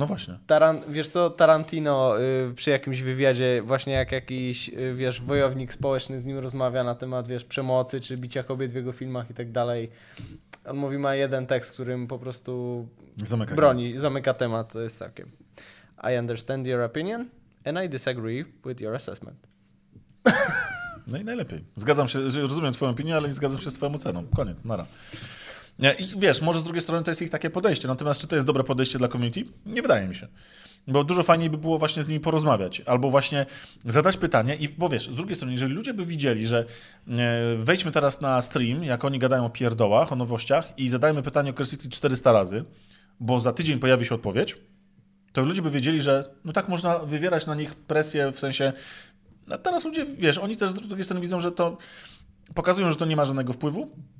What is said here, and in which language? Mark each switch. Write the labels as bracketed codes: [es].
[pl] No właśnie. Wiesz co, Tarantino przy jakimś wywiadzie, właśnie jak jakiś, wiesz, wojownik społeczny z nim rozmawia na temat, wiesz, przemocy, czy bicia kobiet w jego filmach i tak dalej. On mówi, ma jeden tekst, którym po prostu zamyka temat. To jest takie. [en] I understand your opinion and I disagree with your assessment. [pl] No i najlepiej. Zgadzam się, że rozumiem twoją opinię, ale nie zgadzam się z twoją oceną. Koniec, nara. I wiesz, może z drugiej strony to jest ich takie podejście, natomiast czy to jest dobre podejście dla community? Nie wydaje mi się, bo dużo fajniej by było właśnie z nimi porozmawiać, albo właśnie zadać pytanie, i, bo wiesz, z drugiej strony, jeżeli ludzie by widzieli, że wejdźmy teraz na stream, jak oni gadają o pierdołach, o nowościach i zadajmy pytanie o Crisis 400 razy, bo za tydzień pojawi się odpowiedź, to ludzie by wiedzieli, że no tak można wywierać na nich presję, w sensie, no teraz ludzie, wiesz, oni też z drugiej strony widzą, że to pokazują, że to nie ma żadnego wpływu.